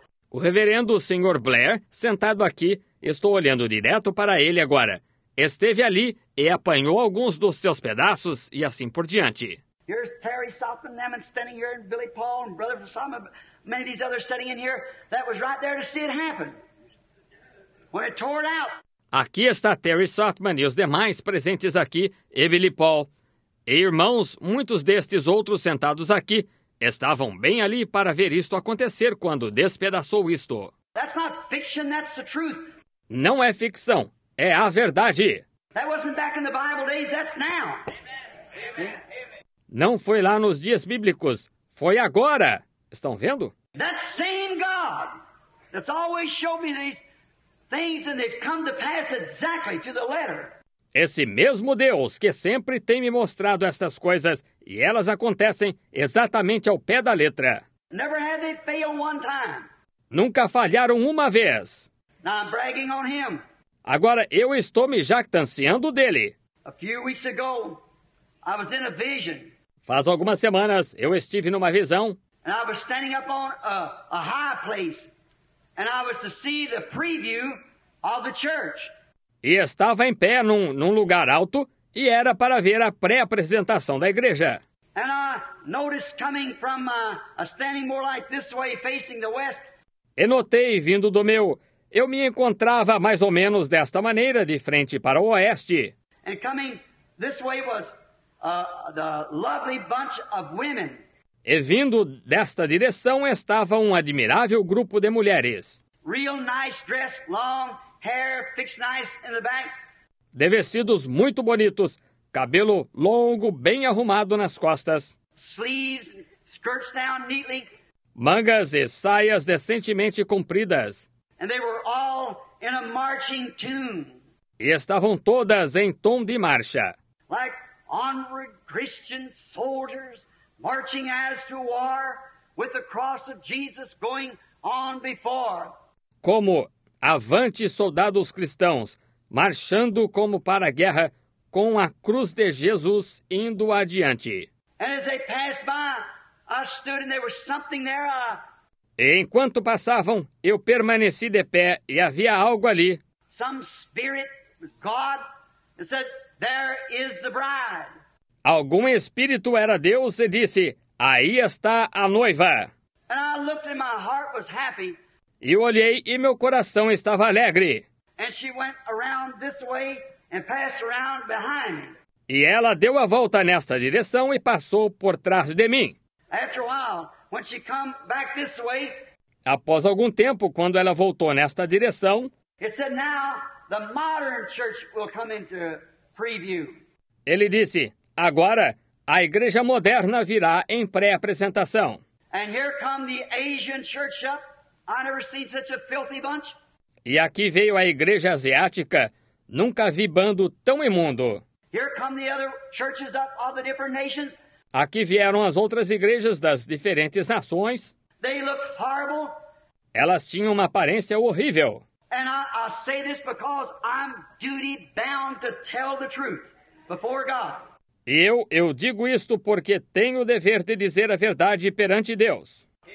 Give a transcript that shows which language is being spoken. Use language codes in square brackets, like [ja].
[pt] O reverendo Sr. Blair, sentado aqui, estou olhando direto para ele agora. Esteve ali e apanhou alguns dos seus pedaços e assim por diante. [en] Here's Terry South and Nemeth standing here, and Billy Paul and Brother Osama, many of these others sitting in here. That was right there to see it happen. When it tore it out. [pt] Aqui está Terry Softman e os demais presentes aqui, e Billy Paul. E irmãos, muitos destes outros sentados aqui, estavam bem ali para ver isto acontecer quando despedaçou isto. [en] That's not fiction, that's the truth. [pt] Não é ficção, é a verdade. [en] That wasn't back in the Bible days, that's now. Amen. [pt] Não foi lá nos dias bíblicos, foi agora. Estão vendo? [en] That same God that's always showed me these things and they've come to pass exactly to the letter. [pt] Esse mesmo Deus que sempre tem me mostrado estas coisas e elas acontecem exatamente ao pé da letra. [en] Never have they failed one time. [pt] Nunca falharam uma vez. [en] Now I'm bragging on him. [pt] Agora eu estou me jactanciando dele. [en] A few weeks ago, I was in a vision. [pt] Faz algumas semanas, eu estive numa visão. [en] And I was standing up on a high place, and I was to see the preview of the church. [pt] E estava em pé num lugar alto e era para ver a pré-apresentação da igreja. [en] And I noticed coming from a standing more like this way, facing the west. [pt] E notei vindo do meu, eu me encontrava mais ou menos desta maneira, de frente para o oeste. [en] And coming this way was the lovely bunch of women. [pt] E vindo desta direção estava um admirável grupo de mulheres. [en] Real nice dress, long hair, fixed nice in the back. [pt] De vestidos muito bonitos, cabelo longo, bem arrumado nas costas. [en] Sleeves, skirts down neatly. [pt] Mangas e saias decentemente compridas. [en] And they were all in a marching tune. [pt] E estavam todas em tom de marcha. [en] Like onward Christian soldiers marching as to war with the cross of Jesus going on before. [pt] Como avante soldados cristãos marchando como para a guerra com a cruz de Jesus indo adiante. [en] And as they passed by, I stood and there was something there. [pt] E enquanto passavam, eu permaneci de pé e havia algo ali. [en] Some spirit was God and said, there is the bride. [pt] Algum espírito era Deus e disse, aí está a noiva. [en] And I looked and my heart was happy. [pt] E olhei e meu coração estava alegre. [en] And she went around this way and passed around behind me. [pt] E ela deu a volta nesta direção e passou por trás de mim. [en] After a while, when she come back this way, [pt] após algum tempo, quando ela voltou nesta direção, [en] it said, now the modern church will come into preview. [pt] Ele disse, agora a igreja moderna virá em pré-apresentação. [en] And here come the Asian church up. I never seen such a filthy bunch. [pt] E aqui veio a igreja asiática. Nunca vi bando tão imundo. [en] Here come the other churches up, all the different nations. [pt] Aqui vieram as outras igrejas das diferentes nações. [en] They look horrible. [pt] Elas tinham uma aparência horrível. [en] And I say this because I'm duty bound to tell the truth before God. [pt] E eu digo isto porque tenho o dever de dizer a verdade perante Deus.